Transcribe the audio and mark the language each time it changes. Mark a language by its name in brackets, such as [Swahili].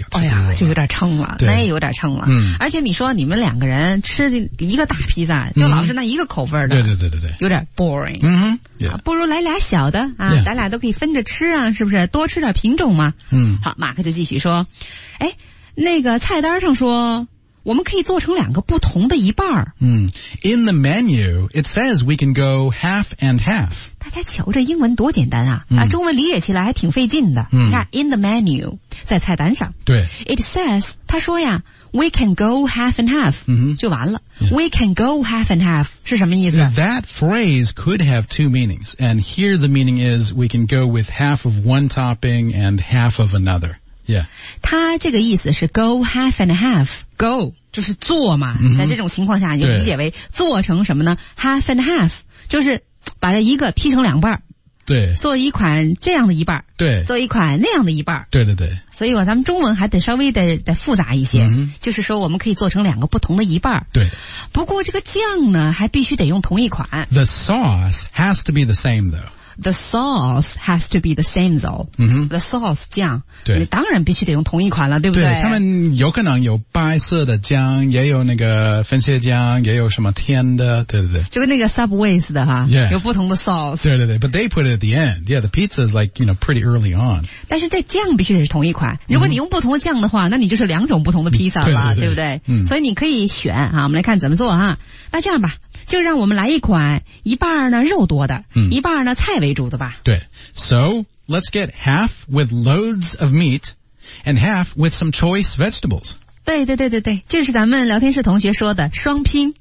[Chinese] 哎呀就有点撑了那也有点撑了、而且你说你们两个人吃一个大披萨就老是那一个口味的、 mm-hmm. 对有点 boring、 mm-hmm. Yeah. 不如来俩小的啊、 [English] yeah. [Chinese] 咱俩都可以分着吃啊是不是多吃点品种嘛嗯好马克就继续说诶那个菜单上说我们可以做成两个不同的一半 [English] 嗯 ,in the menu, it says we can go half and half. [Chinese] 大家瞧这英文多简单啊、中文理解起来还挺费劲的嗯 , [English] in the menu, [Chinese] 在菜单上对 [English] ,it says, [Chinese] 他说呀 [English] ,we can go half and half, [Chinese] 就完了。 [English] Yeah. We can go half and half [Chinese] 是什么意思 [English] That phrase could have two meanings. And here the meaning is we can go with half of one topping and half of another. Yeah. [Chinese] 他这个意思是 go half and half. Go 就是做嘛、 mm-hmm. 在这种情况下你就理解为做成什么呢 Half and half 就是把它一个劈成两半对做一款这样的一半对做一款那样的一半对所以吧咱们中文还得稍微得复杂一些、就是说我们可以做成两个不同的一半对不过这个酱呢还必须得用同一款 [English] The sauce has to be the same though the sauce has to be the same though、 mm-hmm. [Chinese] the sauce 酱对你当然必须得用同一款了对不对, 对他们有可能有白色的酱也有那个番茄酱也有什么甜的对对对就跟那个 Subways 的哈、 [English] yeah. [Chinese] 有不同的 sauce 对对对 [English] but they put it at the end yeah the pizza is like you know pretty early on [Chinese] 但是在酱必须得是同一款如果你用不同的酱的话、mm-hmm. 那你就是两种不同的 pizza 了对, 对, 不对、 mm-hmm. 所以你可以选哈我们来看怎么做哈那这样吧就让我们来一款一半呢肉多的、嗯、一半呢菜为主的吧。对。 [English] So, let's get half with loads of meat and half with some choice vegetables. [Chinese] 对对对对对这是咱们聊天室同学说的双拼。